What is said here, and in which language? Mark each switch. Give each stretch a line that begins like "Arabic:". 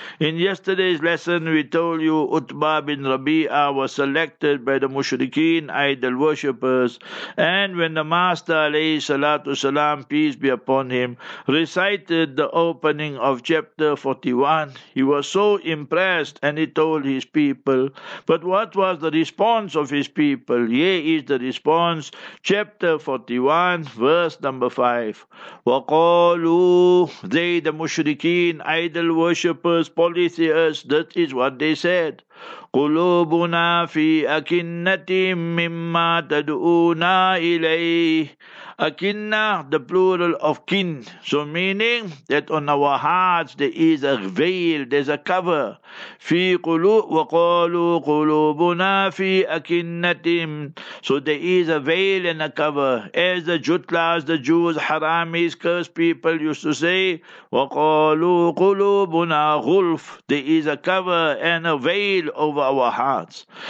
English: In yesterday's lesson, we told you Utbah bin Rabi'a was selected by the mushrikeen, idol worshippers, and when the Master, alayhi salatu salam, peace be upon him, recited the opening of chapter 41, he was so impressed and he told his people. But what was the response of his people? Here is the response, chapter 41, verse number 5.
Arabic: وَقَالُوا,
English: they, the mushrikeen, idol worshippers, polytheists, that is what they said.
Arabic: قلوبنا في أكنة مما تدعونا إليه.
English: أكنة, the plural of kin, so meaning that on our hearts there is a veil, there's a cover.
Arabic: في قلوب, وقالوا قلوبنا في أكنة,
English: so there is a veil and a cover. As the Jutlas, the Jews, Haramis, cursed people used to say,
Arabic: وقالوا قلوبنا غلف,
English: there is a cover and a veil over our hearts.